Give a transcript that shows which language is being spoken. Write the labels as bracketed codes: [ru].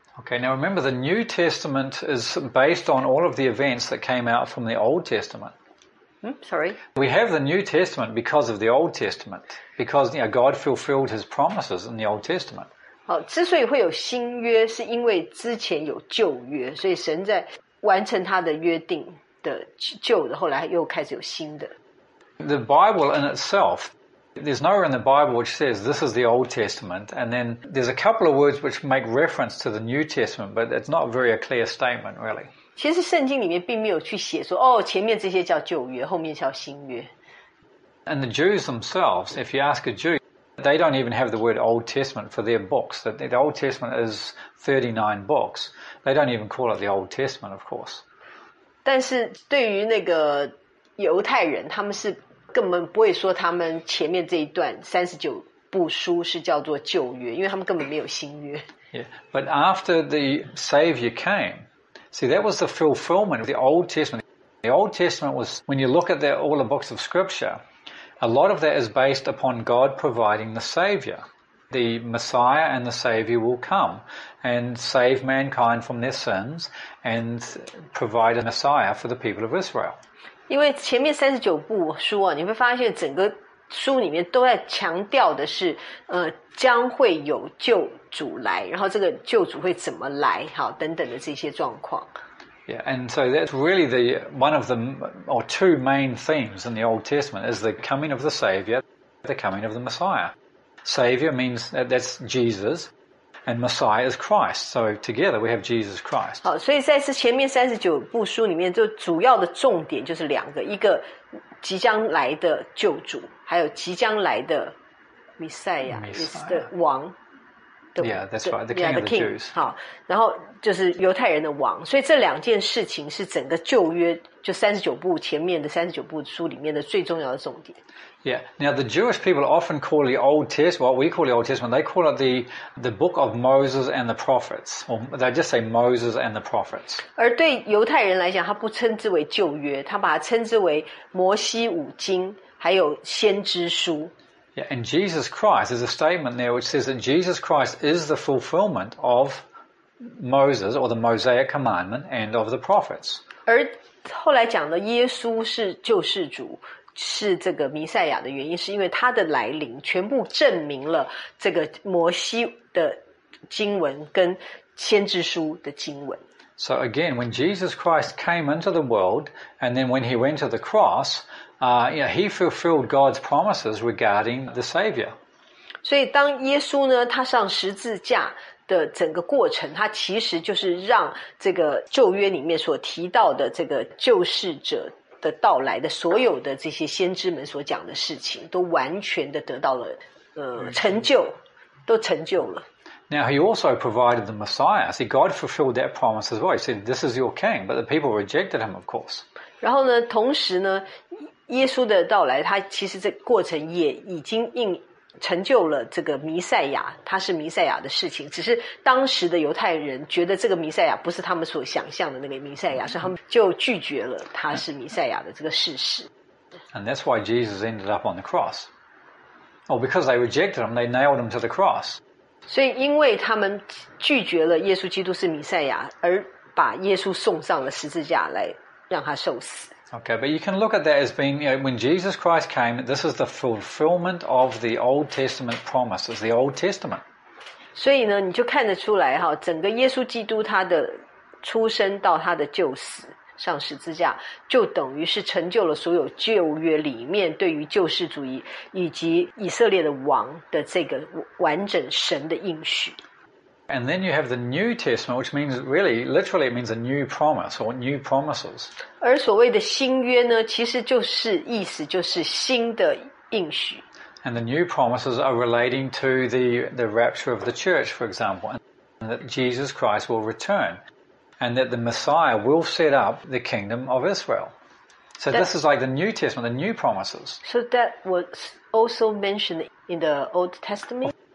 [en] Okay, now remember the New Testament is based on all of the events that came out from the Old Testament. Sorry. We have the New Testament because of the Old Testament. Because you know, God fulfilled his promises in the Old Testament. [zh] 好，之所以会有新约，是因为之前有旧约，所以神在完成他的约定的旧的，后来又开始有新的。 [en] The Bible in itself, there's nowhere in the Bible which says this is the Old Testament, and then there's a couple of words which make reference to the New Testament, but it's not very a clear statement, really. [zh] 其实圣经里面并没有去写说，哦，前面这些叫旧约，后面叫新约。 [en] And the Jews themselves, if you ask a Jew, they don't even have the word Old Testament for their books. The Old Testament is 39 books. They don't even call it the Old Testament, of course. [zh] 但是对于那个犹太人，他们是根本不会说他们前面这一段39部书是叫做旧约，因为他们根本没有新约。 [en] Yeah, but after the Savior came,See, that was the fulfillment of the Old Testament. The Old Testament was, when you look at all the books of Scripture, a lot of that is based upon God providing the Savior. The Messiah and the Savior will come and save mankind from their sins and provide a Messiah for the people of Israel. [zh] 因为前面39部书啊，你会发现整个书里面都在强调的是将会有救主来，然后这个救主会怎么来，好，等等的这些状况。 [en] Yeah, and so that's really the one of the or two main themes in the Old Testament is the coming of the Savior, the coming of the Messiah. Savior means that's Jesus, and Messiah is Christ. So together we have Jesus Christ. [zh] 好，所以在这前面39部书里面，就主要的重点就是两个，一个即将来的救主，还有即将来的弥赛亚，也是的王。 [en] Yeah, that's right, the king of the Jews. [zh] 好，然后就是犹太人的王，所以这两件事情是整个旧约就三十九部前面的三十九部书里面的最重要的重点。 [en] Yeah, now the Jewish people often call the Old Testament, what we call the Old Testament, they call it the Book of Moses and the Prophets, or they just say Moses and the Prophets. [zh] 而对犹太人来讲，他不称之为旧约，他把它称之为摩西五经，还有先知书。 [en] Yeah, and Jesus Christ, there's a statement there which says that Jesus Christ is the fulfillment of Moses or the Mosaic commandment and of the prophets. [zh] 而后来讲的耶稣是救世主，是这个弥赛亚的原因，是因为他的来临全部证明了这个摩西的经文跟先知书的经文。 [en] So again, when Jesus Christ came into the world, and then when he went to the cross,he fulfilled God's promises regarding the Savior. [zh] 所以当耶稣呢，他上十字架的整个过程，他其实就是让这个旧约里面所提到的这个救世者的到来的所有的这些先知们所讲的事情，都完全的得到了成就，都成就了。 [en] Now, he also provided the Messiah. See, God fulfilled that promise as well. He said, this is your king. But the people rejected him, of course. [zh] 然后呢，同时呢，耶稣的到来，他其实这过程也已经成就了这个弥赛亚，他是弥赛亚的事情。只是当时的犹太人觉得这个弥赛亚不是他们所想象的那个弥赛亚，所以他们就拒绝了他是弥赛亚的这个事实。 [en] And that's why Jesus ended up on the cross. Oh, because they rejected him, they nailed him to the cross. [zh] 所以因为他们拒绝了耶稣基督是弥赛亚，而把耶稣送上了十字架来让他受死。 [en] Okay, but you can look at that as being, you know, when Jesus Christ came, this is the fulfillment of the Old Testament promises, the Old Testament. [zh] 所以呢，你就看得出来哈，整个耶稣基督他的出生到他的救死上十字架，就等于是成就了所有旧约里面对于救世主以及以色列的王的这个完整神的应许。 [en] And then you have the New Testament, which means really, literally, it means a new promise or new promises. [zh] 而所谓的新约呢，其实就是意思就是新的应许。 [en] And the new promises are relating to the rapture of the church, for example, and that Jesus Christ will return, and that the Messiah will set up the kingdom of Israel. So this is like the New Testament, the new promises. So that was also mentioned in the Old Testament?